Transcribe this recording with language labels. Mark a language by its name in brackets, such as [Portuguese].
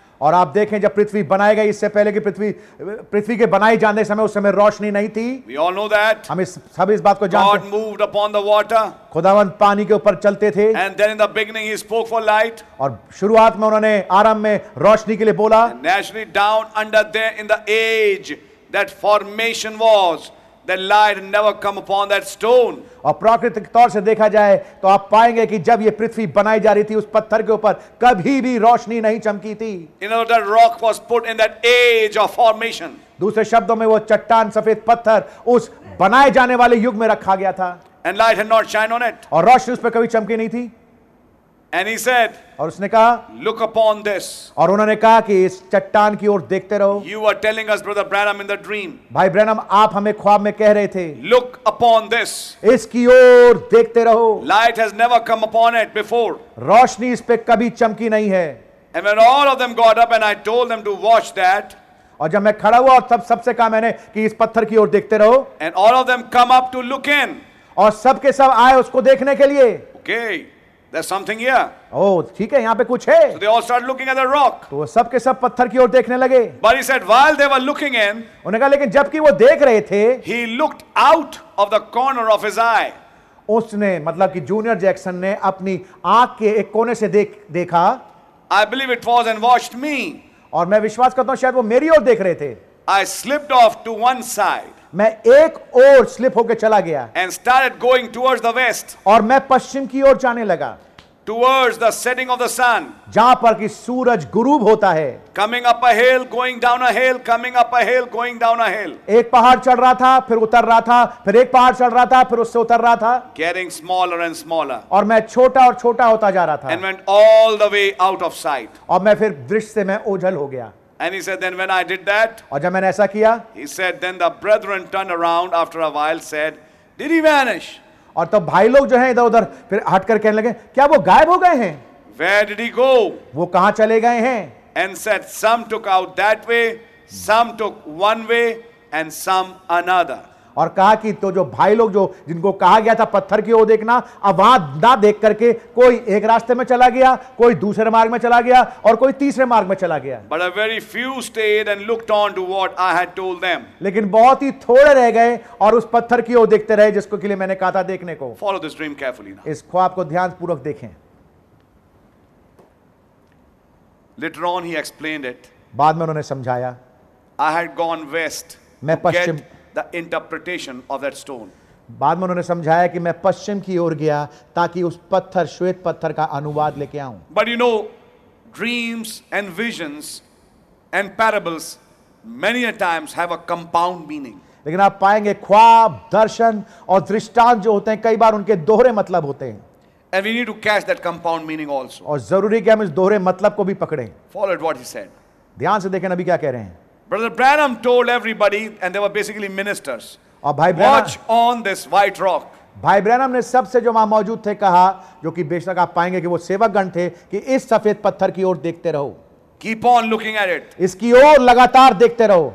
[Hindi] और आप देखें जब पृथ्वी बनाई गई इससे पहले कि पृथ्वी पृथ्वी के बनाए जाने समय उस समय रोशनी नहीं थी. [English] We all know that. [Hindi] हम इस सब इस बात को जानते हैं. [English] God moved upon the water. [Hindi] खुदावन पानी के ऊपर चलते थे. [English] And then in the beginning he spoke for light. [Hindi] और शुरुआत में उन्होंने आरंभ में रोशनी के लिए बोला. [English] And naturally down under there in the age that formation was, the light never come upon that stone. [Hindi] और प्राकृतिक तौर से देखा जाए तो आप पाएंगे कि जब ये पृथ्वी बनाई जा रही थी उस पत्थर के ऊपर कभी भी रोशनी नहीं चमकी थी. [English] In other words, rock was put in that age of formation. [Hindi] दूसरे शब्दों में वो चट्टान सफेद पत्थर उस बनाए जाने वाले युग में रखा गया था. [English] And light had not shined on it. [Hindi] और रोशनी उस पर कभी चमकी नहीं थी. [English] And he said, [Hindi] और उसने कहा, [English] look upon this. [Hindi] और उन्होंने कहा कि इस चट्टान की ओर देखते रहो. [English] You are telling us, brother Branham, in the dream. [Hindi] भाई ब्रैनम आप हमें ख्वाब में कह रहे थे. [English] Look upon this. [Hindi] इसकी ओर देखते रहो. [English] Light has never come upon it before. [Hindi] रोशनी इस पे कभी चमकी नहीं है. [English] And when all of them got up and I told them to watch that. [Hindi] और जब मैं खड़ा हुआ और सब सबसे कहा मैंने कि इस पत्थर की ओर देखते रहो. [English] And all of them come up to look in. [Hindi] और सबके सब आए उसको देखने के लिए. [English] Okay. There's something here. [Hindi] Oh, ठीक है यहाँ पे कुछ है. [English] So they all started looking at the rock. [Hindi] तो वो सब के सब पत्थर की ओर देखने लगे. [English] But he said, while they were looking in, [Hindi] उन्हें कहा लेकिन जबकि वो देख रहे थे, [English] he looked out of the corner of his eye. [Hindi] उसने मतलब कि जूनियर जैक्सन ने अपनी आँख के एक कोने से देखा. [English] I believe it was and watched me. [Hindi] और मैं विश्वास करता हूँ शायद वो मेरी ओर देख रहे थे. [English] I slipped off to one side. [Hindi] मैं एक ओर स्लिप होकर चला गया. [English] And started going towards the west. [Hindi] और मैं पश्चिम की ओर जाने लगा. [English] Towards the setting of the sun. [Hindi] जहां पर कि सूरज गुरूब होता है. [English] Coming up a hill, going down a hill, coming up a hill, going down a hill. [Hindi] एक पहाड़ चढ़ रहा था फिर उतर रहा था फिर एक पहाड़ चढ़ रहा था फिर उससे उतर रहा था. [English] Getting smaller and smaller. [Hindi] और मैं छोटा और छोटा होता जा रहा था. [English] And went all the way out of sight. [Hindi] और मैं फिर दृश्य से मैं ओझल हो गया. [English] And he said, then when I did that, [Hindi] और जब मैंने ऐसा किया, [English] he said, then the brethren turned around after a while, said, did he vanish? [Hindi] और तब भाई लोग जो हैं इधर उधर फिर हटकर कहने लगे, क्या वो गायब हो गए हैं? [English] Where did he go? [Hindi] वो कहाँ चले गए हैं? [English] And said, some took out that way, some took one way, and some another. [Hindi] और कहा कि तो जो भाई लोग जो जिनको कहा गया था पत्थर की ओर देखना, अब वहां ना देख करके कोई एक रास्ते में चला गया, कोई दूसरे मार्ग में चला गया और कोई तीसरे मार्ग में चला गया। [English] But a very few stayed and looked on to what I had told them. [Hindi] लेकिन बहुत ही थोड़े रह गए और उस पत्थर की ओर देखते रहे जिसको के लिए मैंने कहा था देखने को। [English] Follow this dream carefully now. [Hindi] इस ख्वाब को ध्यान पूर्वक देखें। [English] Later on, he explained it. [Hindi] बाद में उन्होंने समझाया। [English] I had gone west. [Hindi] मैं पश्चिम [English] The interpretation of that stone. [Hindi] बाद में उन्होंने समझाया कि मैं पश्चिम की ओर गया ताकि उस पत्थर श्वेत पत्थर का अनुवाद लेके आऊं। [English] But you know, dreams and visions and parables many a times have a compound meaning. [Hindi] लेकिन आप पाएंगे ख्वाब दर्शन और दृष्टांत जो होते हैं कई बार उनके दोहरे मतलब होते हैं। [English] And we need to catch that compound meaning also. [Hindi] और जरूरी कि हम इस दोहरे मतलब को भी पकड़ें। [English] Followed what he said. [Hindi] ध्यान से देखें अभी क्या कह रहे हैं। [English] Brother Branham told everybody, and they were basically ministers. [Hindi] और भाई [English] Branham, watch on this white rock. [Hindi] भाई ब्रैनम ने सबसे जो वहां मौजूद थे कहा, जो कि बेशक आप पाएंगे कि वो सेवकगण थे, कि इस सफेद पत्थर की ओर देखते रहो. [English] Keep on looking at it. [Hindi] इसकी ओर लगातार देखते रहो.